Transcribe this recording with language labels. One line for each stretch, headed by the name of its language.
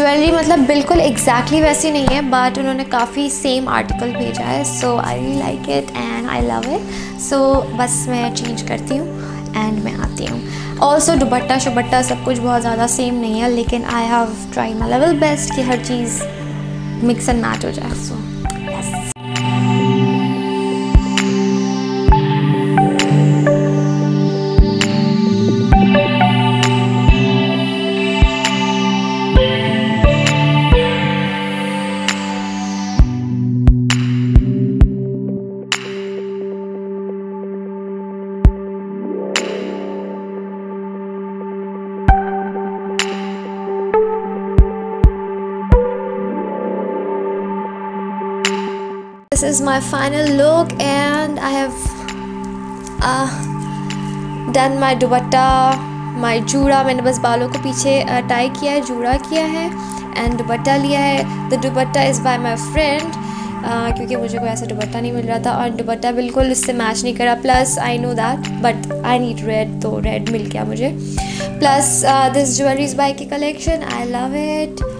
Hindi: Jewellery मतलब बिल्कुल exactly वैसी नहीं है बट उन्होंने काफ़ी सेम आर्टिकल भेजा है.
English: So I really like it and I love it. So
Hindi: बस मैं चेंज करती हूँ एंड मैं आती हूँ. ऑल्सो दुपट्टा शुपट्टा सब कुछ बहुत ज़्यादा सेम नहीं है लेकिन
English: I have try my level best
Hindi: कि हर चीज़ मिक्स एंड मैच हो जाए.
English: So this is my final look and I have done my dupatta, my jura.
Hindi: मैंने बस बालों को पीछे tie किया है, जूड़ा किया है and dupatta लिया है.
English: The dupatta is by my friend
Hindi: क्योंकि मुझे कोई ऐसा दुपट्टा नहीं मिल रहा था और दुपट्टा बिल्कुल उससे मैच नहीं करा.
English: plus I know that but I need red,
Hindi: तो रेड मिल गया मुझे.
English: Plus this jewellery is by की collection, I love it.